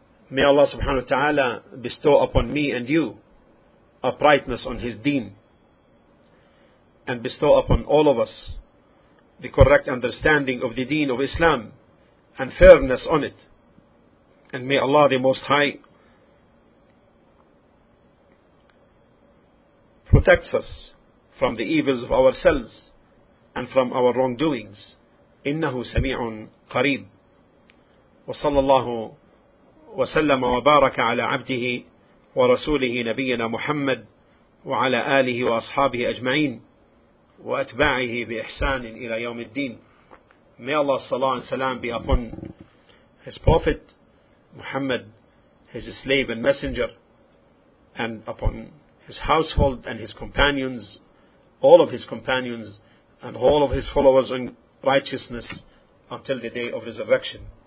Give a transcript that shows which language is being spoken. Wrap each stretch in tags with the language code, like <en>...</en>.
<en>May Allah subhanahu wa ta'ala bestow upon me and you uprightness on His deen, and bestow upon all of us the correct understanding of the deen of Islam and fairness on it. And may Allah the Most High protect us from the evils of ourselves and from our wrongdoings.</en> <ar>إِنَّهُ سَمِيعٌ قَرِيبٌ وَصَلَّى اللَّهُ وسلم وبارك على عبده ورسوله نبينا محمد وعلى آله وأصحابه أجمعين وأتباعه بإحسان إلى يوم الدين.</ar> <en>May Allah's salah and salam be upon His Prophet Muhammad, His slave and messenger, and upon His household and His companions, all of His companions, and all of His followers in righteousness until the day of resurrection.</en>